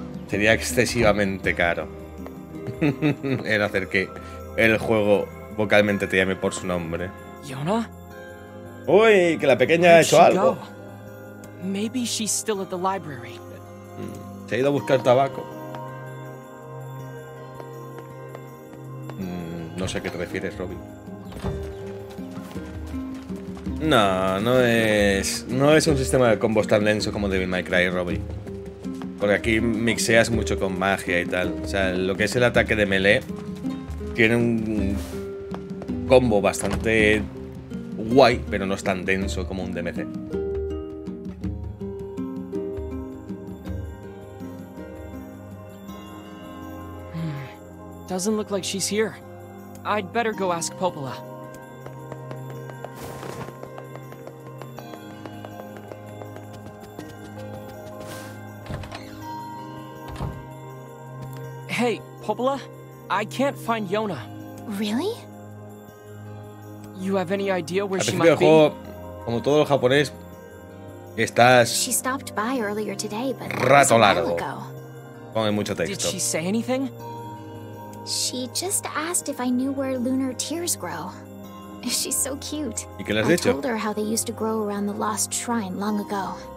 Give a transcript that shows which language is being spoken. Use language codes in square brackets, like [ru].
[es] Sería excesivamente caro el hacer que el juego vocalmente te llame por su nombre. ¿Yona? Uy, que la pequeña ha hecho algo. [en] Maybe she's still at the library. [es] Se ha ido a buscar tabaco. No sé a qué te refieres, Robin. No, no es un sistema de combos tan denso como Devil May Cry, Robin. Porque aquí mixeas mucho con magia y tal. O sea, lo que es el ataque de melee tiene un combo bastante guay, pero no es tan denso como un DMC. [en] Doesn't look like she's here. I'd better go ask Popola. Hey, Popola, I can't find Yona. Really? You have any idea where she might be? [es] Como todo el japonés, estás. [en] She stopped by earlier today, but [es] rato largo. Pone mucho texto. [en] Did she say anything? She just asked if I knew where lunar tears grow. She's so cute. [es] ¿Y qué le has dicho? [en] I told her how they used to grow around the lost shrine long ago.